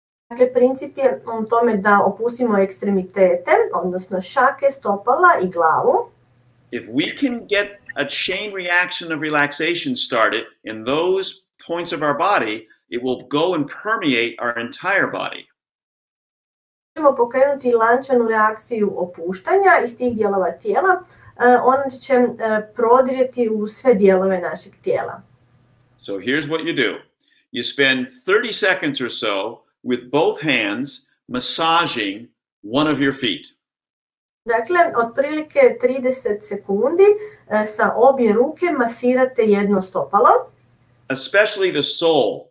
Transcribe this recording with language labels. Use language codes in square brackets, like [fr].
[hr] Dakle, princip je u tome da opustimo ekstremitete, odnosno šake, stopala I glavu. [en] If we can get a chain reaction of relaxation started in those points of our body, it will go and permeate our entire body. [hr] Možemo pokrenuti lančanu reakciju opuštanja iz tih dijelova tijela, ono će prodrijeti u sve dijelove našeg tijela. [en] So here's what you do. You spend 30 seconds or so with both hands massaging one of your feet. [hr] Dakle, otprilike 30 sekundi sa obje ruke masirate jedno stopalo. [en] Especially the sole.